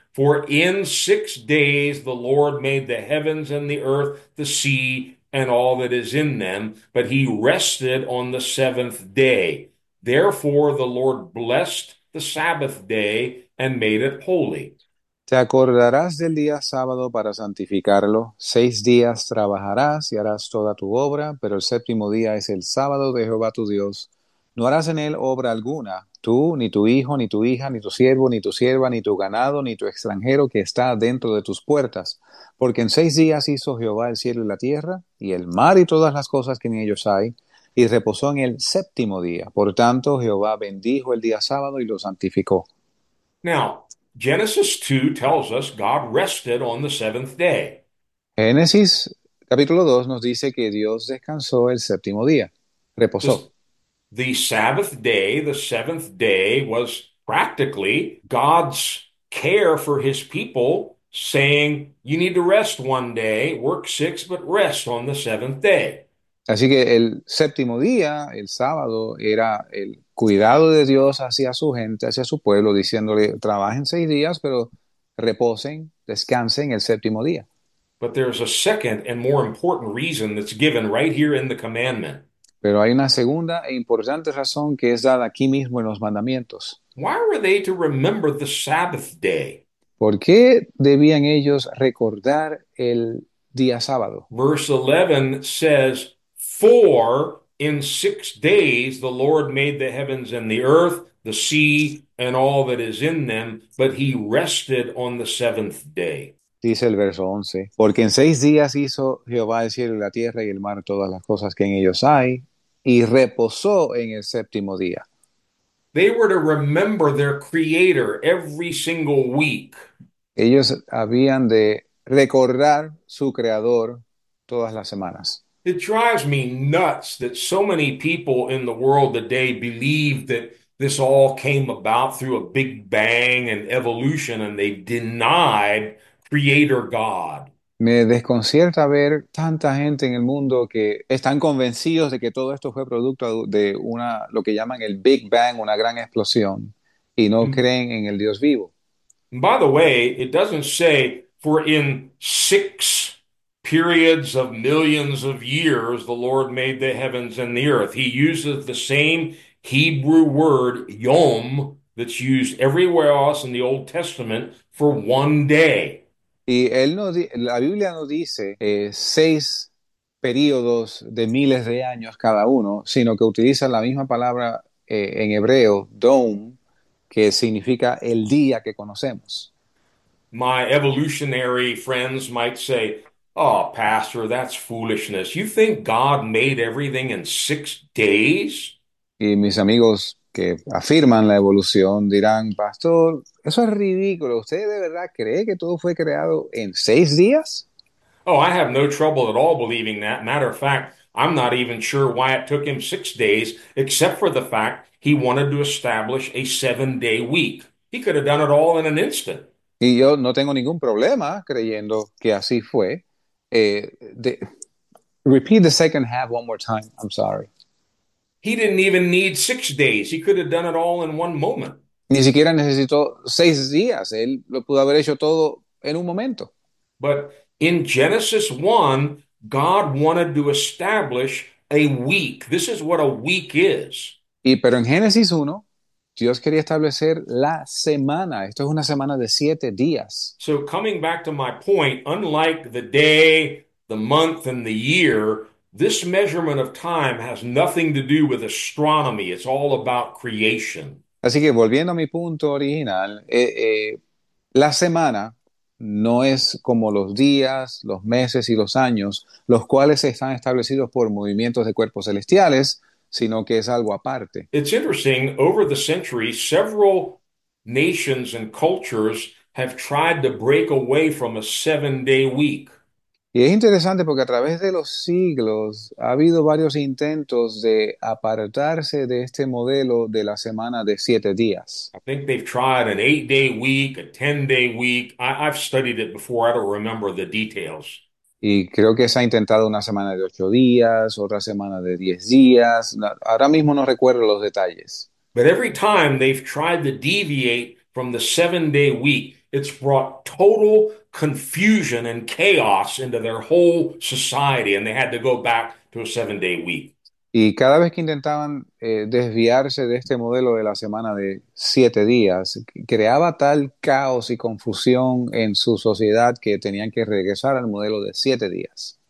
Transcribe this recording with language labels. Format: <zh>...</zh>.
<en>For in 6 days the Lord made the heavens and the earth, the sea, and all that is in them, but he rested on the seventh day. Therefore the Lord blessed the Sabbath day and made it holy.</en> <es>Te acordarás del día sábado para santificarlo. 6 días trabajarás y harás toda tu obra, pero el séptimo día es el sábado de Jehová tu Dios. No harás en él obra alguna, tú, ni tu hijo, ni tu hija, ni tu siervo, ni tu sierva, ni tu ganado, ni tu extranjero que está dentro de tus puertas. Porque en 6 días hizo Jehová el cielo y la tierra, y el mar y todas las cosas que en ellos hay, y reposó en el séptimo día. Por tanto, Jehová bendijo el día sábado y lo santificó.</es> <en>Now, Genesis 2 tells us God rested on the seventh day.</en> <es>Génesis capítulo 2 nos dice que Dios descansó el séptimo día, reposó.</es> <en>The Sabbath day, the seventh day, was practically God's care for his people, saying, you need to rest one day, work six, but rest on the seventh day.</en> <es>Así que el séptimo día, el sábado, era el cuidado de Dios hacia su gente, hacia su pueblo, diciéndole, trabajen 6 días, pero reposen, descansen el séptimo día.</es> <en>But there's a second and more important reason that's given right here in the commandment.</en> <es>Pero hay una segunda e importante razón que es dada aquí mismo en los mandamientos.</es> <en>Why were they to remember the Sabbath day?</en> <es>¿Por qué debían ellos recordar el día sábado?</es> <en>Verse 11 says, "For in 6 days the Lord made the heavens and the earth, the sea, and all that is in them, but he rested on the seventh day."</en> <es>Dice el verso 11, porque en 6 días hizo Jehová el cielo y la tierra y el mar, todas las cosas que en ellos hay, y reposó en el séptimo día.</es> <en>They were to remember their creator every single week.</en> <es>Ellos habían de recordar su creador todas las semanas.</es> <en>It drives me nuts that so many people in the world today believe that this all came about through a big bang and evolution, and they denied creator God.</en> <es>Me desconcierta ver tanta gente en el mundo que están convencidos de que todo esto fue producto de una lo que llaman el Big Bang, una gran explosión, y no creen en el Dios vivo.</es> <en>And by the way, it doesn't say for in six periods of millions of years the Lord made the heavens and the earth. He uses the same Hebrew word, yom, that's used everywhere else in the Old Testament for one day.</en> <es>Y él no, la Biblia no dice 6 periodos de miles de años cada uno, sino que utiliza la misma palabra en hebreo, dom, que significa el día que conocemos.</es> <en>My evolutionary friends might say, "Oh, Pastor, that's foolishness. You think God made everything in 6 days?"</en> <es>Y mis amigos que afirman la evolución dirán, Pastor, eso es ridículo. ¿Usted de verdad cree que todo fue creado en 6 días?</es> <en>Oh, I have no trouble at all believing that. Matter of fact, I'm not even sure why it took him 6 days, except for the fact he wanted to establish a 7-day week. He could have done it all in an instant.</en> <es>Y yo no tengo ningún problema creyendo que así fue.</es> <en>Repeat the second half one more time. I'm sorry. He didn't even need 6 days. He could have done it all in one moment.</en> <es>Ni siquiera necesitó 6 días. Él lo pudo haber hecho todo en un momento.</es> <en>But in Genesis 1, God wanted to establish a week. This is what a week is.</en> <es>Y pero en Génesis 1, Dios quería establecer la semana. Esto es una semana de 7 días.</es> <en>So coming back to my point, unlike the day, the month, and the year, this measurement of time has nothing to do with astronomy. It's all about creation.</en> <es>Así que volviendo a mi punto original, la semana no es como los días, los meses y los años, los cuales están establecidos por movimientos de cuerpos celestiales, sino que es algo aparte.</es> <en>It's interesting, over the centuries, several nations and cultures have tried to break away from a 7-day week.</en> <es>Y es interesante porque a través de los siglos ha habido varios intentos de apartarse de este modelo de la semana de 7 días.</es> <en>I think they've tried an 8-day week, a 10-day week. I've studied it before. I don't remember the details.</en> <es>Y creo que se ha intentado una semana de 8 días, otra semana de 10 días. Ahora mismo no recuerdo los detalles.</es> <en>But every time they've tried to deviate from the 7-day week, it's brought total confusion and chaos into their whole society, and they had to go back to a 7-day week.</en> <es>Y cada vez que intentaban desviarse de este modelo de la semana de 7 días, creaba tal caos y confusión en su sociedad que tenían que regresar al modelo de 7 días.</es>